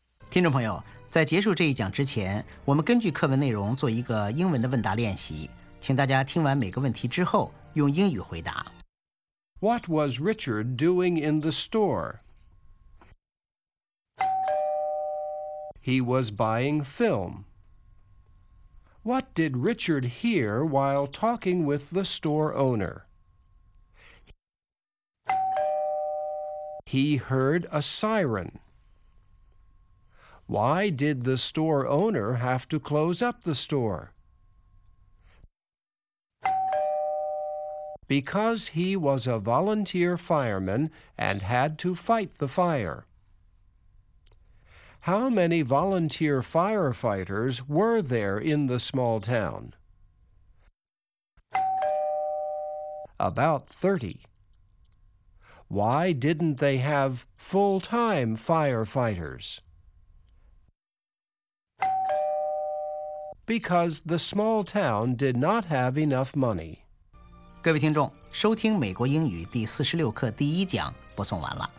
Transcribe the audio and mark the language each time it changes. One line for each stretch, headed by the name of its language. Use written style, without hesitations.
Chinese: 听众朋友，在结束这一讲之前，我们根据课文内容做一个英文的问答练习，请大家听完每个问题之后用英语回答。
English: What was Richard doing in the store? He was buying film. What did Richard hear while talking with the store owner? He heard a siren. Why did the store owner have to close up the store? Because he was a volunteer fireman and had to fight the fire. How many volunteer firefighters were there in the small town? About 30. Why didn't they have full-time firefighters? Because the small town did not have enough money.
Chinese: 各位听众，收听美国英语第46课第一讲播送完了。